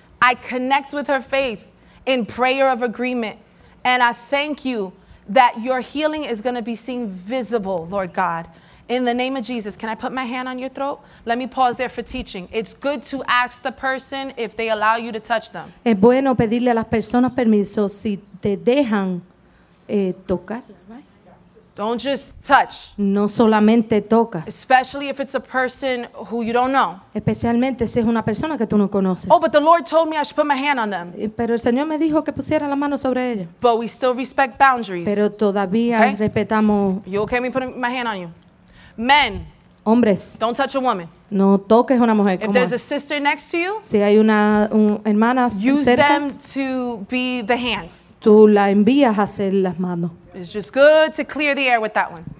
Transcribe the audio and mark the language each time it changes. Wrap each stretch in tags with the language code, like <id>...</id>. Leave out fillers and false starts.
<en>I connect with her faith in prayer of agreement. And I thank you that your healing is going to be seen visible, Lord God. In the name of Jesus, can I put my hand on your throat? Let me pause there for teaching. It's good to ask the person if they allow you to touch them.</en> <es>Es bueno pedirle a las personas permiso si te dejan tocar.</es> <en>Don't just touch.</en> <es>No solamente tocas.</es> <en>Especially if it's a person who you don't know.</en> <es>Especialmente si es una persona que tú no conoces.</es> <en>Oh, but the Lord told me I should put my hand on them.</en> <es>Pero el Señor me dijo que pusiera la mano sobre ella.</es> <en>But we still respect boundaries.</en> <es>Pero todavía okay? Respetamos.</es> <en>You okay with me putting my hand on you? Men.</en> <es>Hombres.</es> <en>Don't touch a woman.</en> <es>No toques a una mujer.</es> <en>If como there's a sister next to you.</en> <es>Si hay una hermana</es> <en>use</en> <es>cerca,</es> <en>them to be the hands.</en> <es>Tú la envías a hacer las manos.</es> <en>It's just good to clear the air with that one.</en>